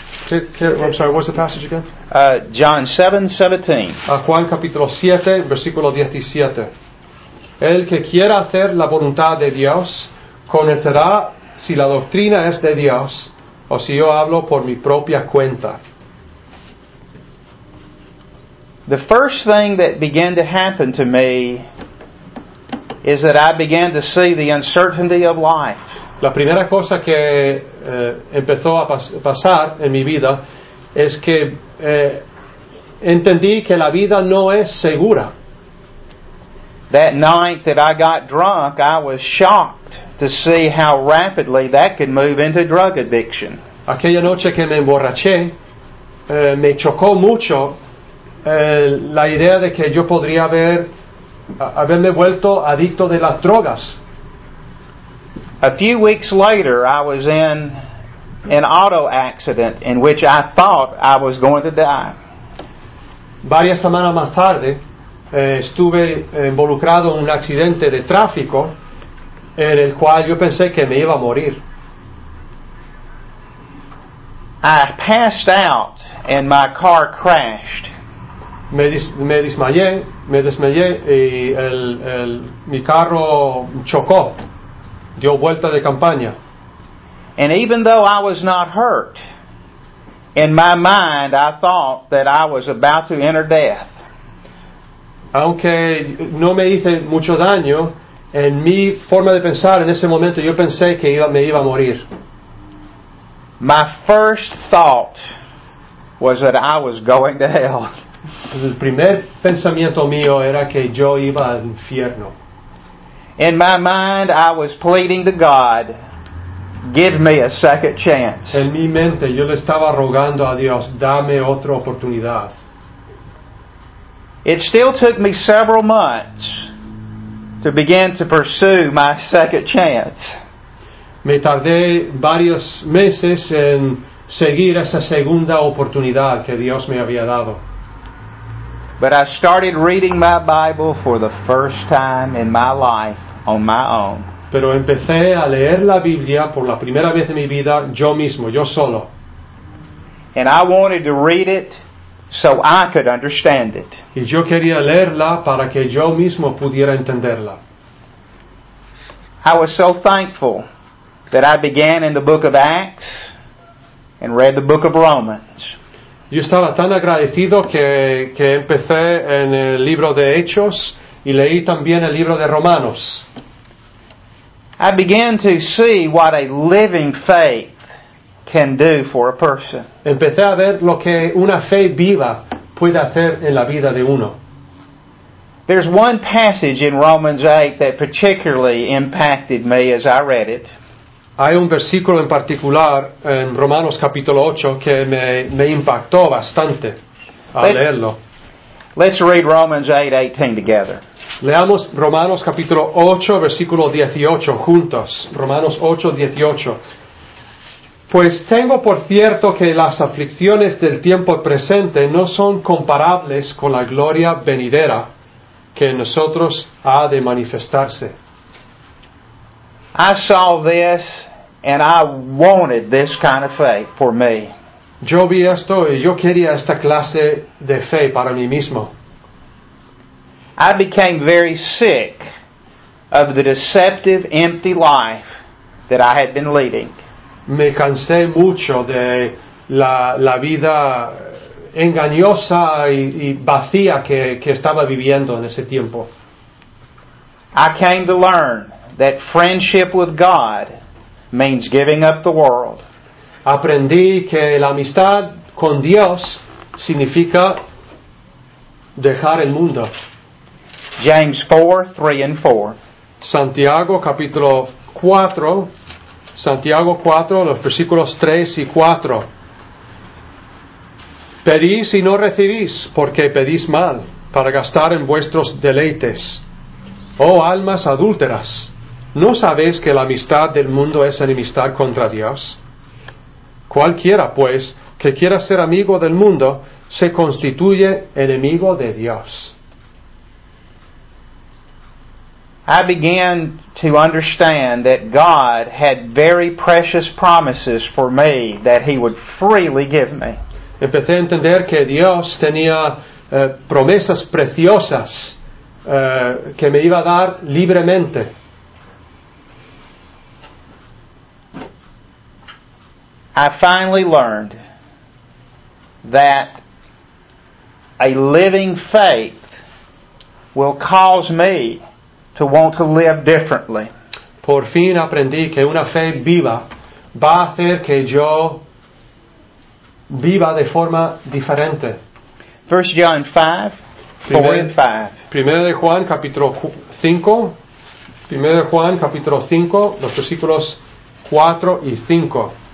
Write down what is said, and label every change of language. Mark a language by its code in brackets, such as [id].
[en] I'm sorry, what's the passage again? John 7:17. [es] Juan capítulo 7, versículo 17. El que quiera hacer la voluntad de Dios conocerá si la doctrina es de Dios o si yo hablo por mi propia cuenta. [en] The first thing that began to happen to me is that I began to see the uncertainty of life. [es] La primera cosa que empezó a pasar en mi vida es que entendí que la vida no es segura. [en] That night that I got drunk, I was shocked to see how rapidly that could move into drug addiction. [es] Aquella noche que me emborraché, me chocó mucho la idea de que yo podría haberme vuelto adicto de las drogas. [en] A few weeks later, I was in an auto accident in which I thought I was going to die. [es] Varias semanas más tarde, estuve involucrado en un accidente de tráfico en el cual yo pensé que me iba a morir. [en] I passed out and my car crashed. [es] Me desmayé y mi carro chocó. Dio vuelta de campaña. [en] And even though I was not hurt, in my mind I thought that I was about to enter death. [es] Aunque no me hice mucho daño, en mi forma de pensar en ese momento yo pensé que me iba a morir. [en] My first thought was that I was going to hell. [es] El primer pensamiento mío era que yo iba al infierno. [en] In my mind, I was pleading to God, give me a second chance. [es] En mi mente, yo le estaba rogando a Dios, dame otra oportunidad. [en] It still took me several months to begin to pursue my second chance. [es] Me tardé varios meses en seguir esa segunda oportunidad que Dios me había dado. [en] But I started reading my Bible for the first time in my life. On my own. [es] Pero empecé a leer la Biblia por la primera vez en mi vida yo mismo, yo solo. [en] And I wanted to read it so I could understand it. [es] Y yo quería leerla para que yo mismo pudiera entenderla. [en] I was so thankful that I began in the book of Acts and read the book of Romans. [es] Yo estaba tan agradecido que empecé en el libro de Hechos y leí también el libro de Romanos. [en] I began to see what a living faith can do for a person. [es] Empecé a ver lo que una fe viva puede hacer en la vida de uno. [en] There's one passage in Romans 8 that particularly impacted me as I read it. [es] Hay un versículo en particular en Romanos capítulo 8 que me impactó bastante al leerlo. [en] Let's read Romans 8:18 together. [es] Leamos Romanos capítulo 8 versículo 18 juntos. Romanos 8:18. Pues tengo por cierto que las aflicciones del tiempo presente no son comparables con la gloria venidera que en nosotros ha de manifestarse. [en] I saw this and I wanted this kind of faith for me. [es] Yo vi esto y yo quería esta clase de fe para mí mismo. [en] I became very sick of the deceptive, empty life that I had been leading. [es] Me cansé mucho de la vida engañosa y vacía que estaba viviendo en ese tiempo. [en] I came to learn that friendship with God means giving up the world. [es] Aprendí que la amistad con Dios significa dejar el mundo. [en] James 4, 3 and 4. [es] Santiago capítulo 4. Santiago 4, los versículos 3 y 4. Pedís y no recibís, porque pedís mal, para gastar en vuestros deleites. Oh almas adúlteras, ¿no sabéis que la amistad del mundo es enemistad contra Dios? Cualquiera, pues, que quiera ser amigo del mundo, se constituye enemigo de Dios. [en] I began to understand that God had very precious promises for me that He would freely give me. [es] Empecé a entender que Dios tenía promesas preciosas que me iba a dar libremente. [en] I finally learned that a living faith will cause me to want to live differently. [es] Por fin aprendí que una fe viva va a hacer que yo viva de forma diferente. [en] 1 John 5, 4 and 5. [es] Primero de Juan capítulo 5. Primero de Juan capítulo 5, los versículos 4 y 5.